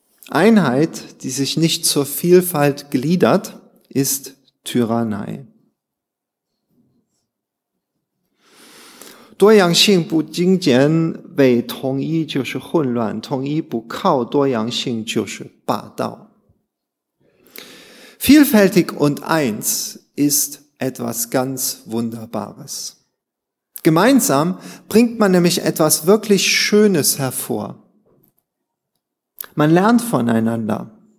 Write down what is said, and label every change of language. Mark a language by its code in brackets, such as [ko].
[de] Einheit, die sich nicht zur Vielfalt gliedert, ist Tyrannei. [zh] 多样性不精简为统一就是混乱，统一不靠多样性就是霸道。 [de] Vielfältig und eins ist etwas ganz Wunderbares. Gemeinsam bringt man nämlich etwas wirklich Schönes hervor. Man lernt voneinander.